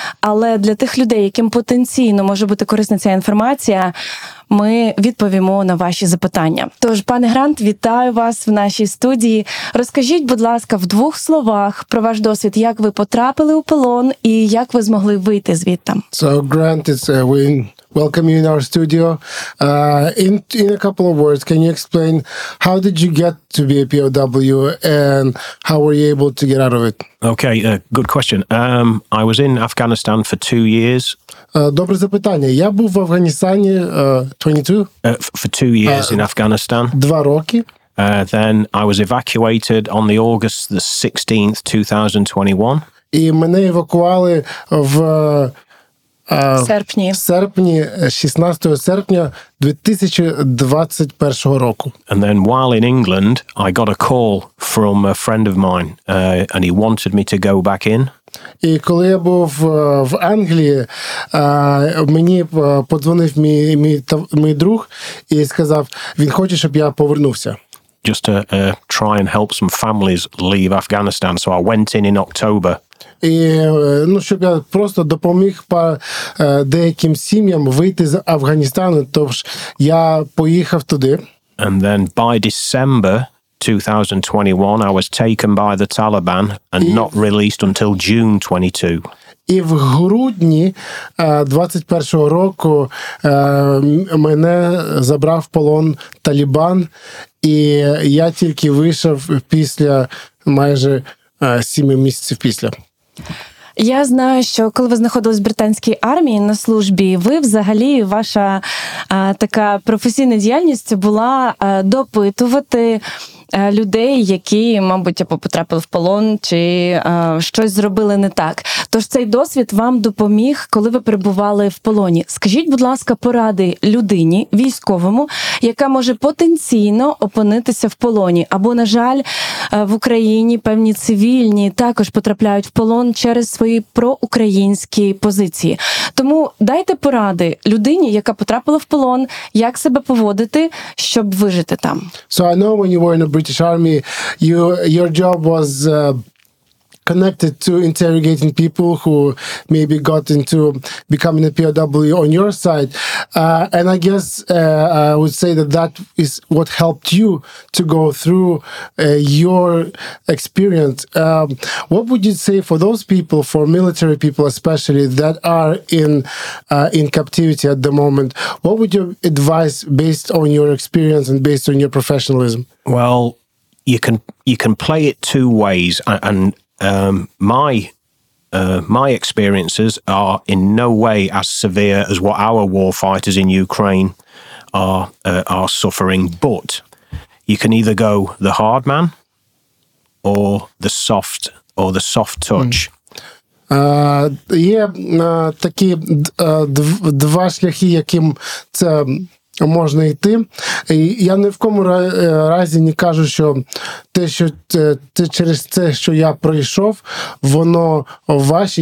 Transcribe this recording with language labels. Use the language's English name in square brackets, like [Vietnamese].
[Ukrainian] Але для тих людей, яким потенційно може бути корисна ця інформація, ми відповімо на ваші запитання. Тож, пане Грант, вітаю вас в нашій студії. Розкажіть, будь ласка, в двох словах про ваш досвід, як ви потрапили у полон і як ви змогли вийти звідти. [English] So, Grant, it's a win. Welcome you in our studio. In a couple of words, can you explain how did you get to be a POW and how were you able to get out of it? Okay, good question. I was in Afghanistan for 2 years. [Ukrainian] Добре запитання. Я був в Афганістані 22. [English] For 2 years in Afghanistan. [Ukrainian] 2 роки. [English] Then I was evacuated on the August the 16th, 2021. [Ukrainian] І мене евакували в... Серпні, 16 серпня 2021 року. [English] And then while in England, I got a call from a friend of mine, and he wanted me to go back in. [Ukrainian] І коли я був в Англії, мені подзвонив мій друг і сказав, він хоче, щоб я повернувся. [English] Just to try and help some families leave Afghanistan, so I went in October. [Ukrainian] І, ну, щоб я просто допоміг деяким сім'ям вийти з Афганістану, тож я поїхав туди. [English] And then by December 2021 I was taken by the Taliban and not released until June 22. [Ukrainian] І в грудні 21-го року мене забрав в полон Талібан, і я тільки вийшов після майже 7 місяців після. Я знаю, що коли ви знаходились в британській армії на службі, ви взагалі, ваша така професійна діяльність була допитувати людей, які, мабуть, або потрапили в полон, чи щось зробили не так. Тож цей досвід вам допоміг, коли ви перебували в полоні. Скажіть, будь ласка, поради людині, військовому, яка може потенційно опинитися в полоні. Або, на жаль, в Україні певні цивільні також потрапляють в полон через свої проукраїнські позиції. Тому дайте поради людині, яка потрапила в полон, як себе поводити, щоб вижити там. [English] So I know when you were in the British Army, your job was connected to interrogating people who maybe got into becoming a POW on your side. And I guess I would say that is what helped you to go through your experience. What would you say for those people, for military people especially, that are in captivity at the moment? What would your advice based on your experience and based on your professionalism? Well, you can play it two ways, and my experiences are in no way as severe as what our war fighters in Ukraine are suffering, but you can either go the hard man or the soft touch. [Ukrainian] Є такі два шляхи, яким це можна йти. Я не в кому разі не кажу, що те, через те, що я пройшов, воно ваше.